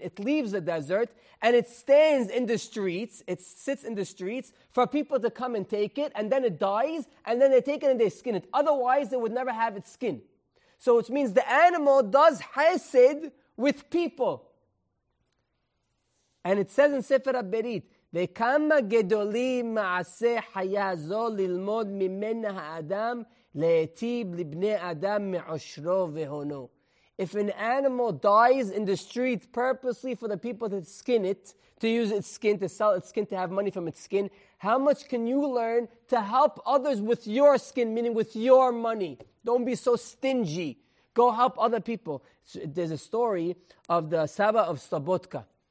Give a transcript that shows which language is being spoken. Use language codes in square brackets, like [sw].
[en] It leaves the desert and it stands in the streets. It sits in the streets for people to come and take it. And then it dies and then they take it and they skin it. Otherwise, it would never have its skin. So it means the animal does chesed with people. And it says in Sefer HaBerit, [he] וכמה גדולים מעשה חיה זו ללמוד ממנה האדם להטיב לבני אדם מעושרו והונו. [en] If an animal dies in the street purposely for the people to skin it, to use its skin, to sell its skin, to have money from its skin, how much can you learn to help others with your skin, meaning with your money? Don't be so stingy. Go help other people. There's a story of the Saba of Slobodka.